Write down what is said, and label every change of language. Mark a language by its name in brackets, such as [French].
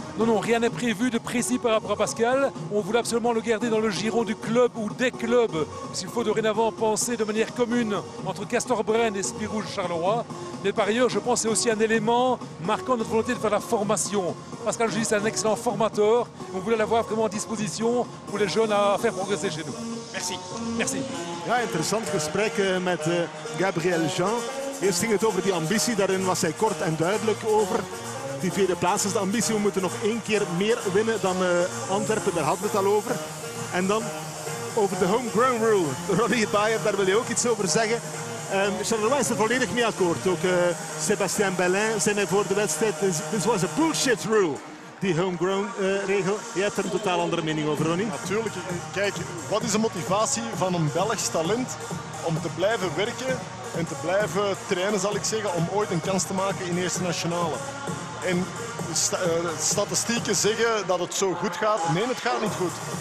[French] Non, rien n'est prévu de précis par rapport à Pascal. On voulait absolument le garder dans le giron du club ou des clubs, s'il faut dorénavant penser de manière commune entre Castor Brenne et Spirou Charleroi. Mais par ailleurs, je pense que c'est aussi un élément marquant notre volonté de faire la formation. Pascal Gilles est un excellent formateur. On voulait l'avoir vraiment à disposition pour les jeunes à faire progresser chez nous. Merci. Merci. [Dutch] Ja, intéressant gesprek met Gabriel Jean. Eerst ging het over die ambitie, daarin was hij kort en duidelijk over. Die tweede plaats is de ambitie, we moeten nog één keer meer winnen dan Antwerpen, daar hadden we het al over. En dan over de homegrown rule. Ronnie Baier, daar wil je ook iets over zeggen. Charleroi is er volledig mee akkoord. Ook Sébastien Bellin zijn er voor de wedstrijd. [English] This was a bullshit rule, [Dutch] die homegrown regel. Jij hebt er een totaal andere mening over, Ronnie. Natuurlijk. Kijk, wat is de motivatie van een Belgisch talent om te blijven werken en te blijven trainen, zal ik zeggen, om ooit een kans te maken in Eerste Nationale? En statistieken zeggen dat het zo goed gaat. Nee, het gaat niet goed.